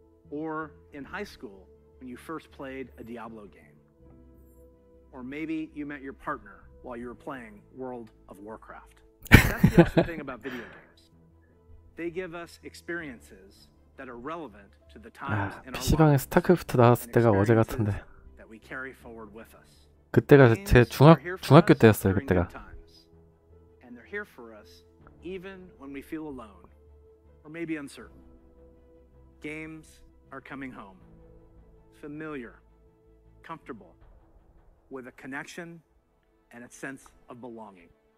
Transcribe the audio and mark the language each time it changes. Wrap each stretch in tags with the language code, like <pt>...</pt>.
<en>Or in high school when you first played a Diablo game. Or maybe you met your partner while you were playing World of Warcraft. That's the awesome thing about video games. They give us experiences that are relevant to the times in our lives.</en> <ko>PC방에 스타크래프트 나왔을 때가 어제 같은데.</ko> <en>That we carry forward with us.</en> <ko>그때가 제 중학교 때였어요, 그때가.</ko> <en>And they're here for us even when we feel alone or maybe uncertain. Games are coming home. Familiar, comfortable, with a connection and a sense of belonging.</en>